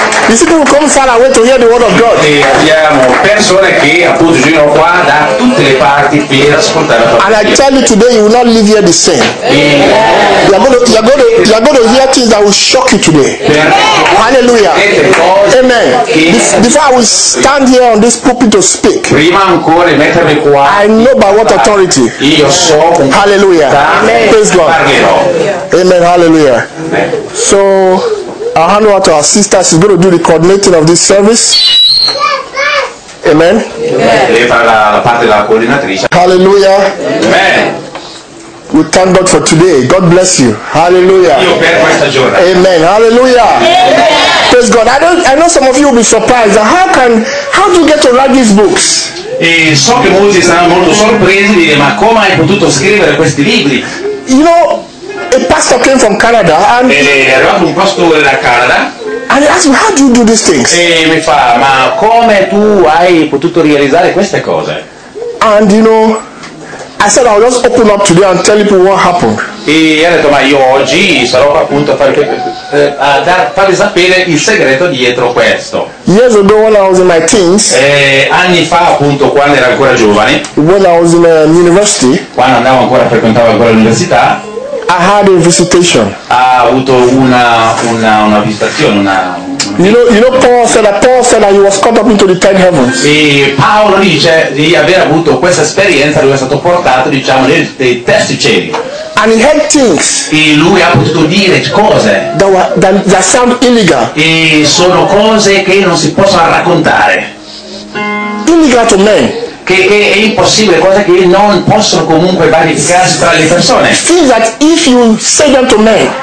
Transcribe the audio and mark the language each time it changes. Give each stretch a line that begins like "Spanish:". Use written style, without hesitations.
English: You see, people come far away to hear the word of God.
Italian: E abbiamo persone che appunto giungono qua da tutte le parti per ascoltare la parola.
English: And I tell you today, you will not live here the same. You are going to hear things that will shock you today. Yeah. Hallelujah. Amen. Before I will stand here on this pulpit to speak,
Italian: prima ancora mettermi qua,
English: I know by what authority.
Italian: Io so.
English: Hallelujah. Amen. Praise God. Amen. Hallelujah. Amen. So, I hand over to our sister. She's going to do the coordinating of this service. Amen. Amen. Hallelujah. Amen. We thank God for today. God bless you. Hallelujah. Amen. Hallelujah. Amen. Praise God. I know some of you will be surprised. How do you get to write these books?
Italian: E so che molti saranno molto sorpresi, dire, ma come hai potuto scrivere questi libri?
English: You know, a pastor came from Canada and
Italian: arrivato un pastore da Canada.
English: And he asked me, how do you do these things?
Italian: E mi fa, ma come tu hai potuto realizzare queste cose?
English: And you know, I said I'll just open up today and tell people what happened.
Italian: E ha detto, ma io oggi sarò appunto a farvi sapere il segreto dietro questo.
English: Years ago when I was in my teens.
Italian: Anni fa appunto quando ero ancora giovane.
English: When I was in university.
Italian: Quando frequentavo ancora l'università.
English: I had a visitation.
Italian: Ha avuto una visitazione, una.
English: You know Paul said that he was caught up into the 10 heavens.
Italian: E Paolo dice di aver avuto questa esperienza, lui è stato portato, diciamo, nei terzi cieli.
English: And he heard things.
Italian: E lui ha potuto dire cose.
English: That sound illegal.
Italian: E sono cose che non si possono raccontare.
English: Illegal to men.
Italian: Che è impossibile, cose che non possono comunque verificarsi tra le persone.
English: Things that if you say them to men,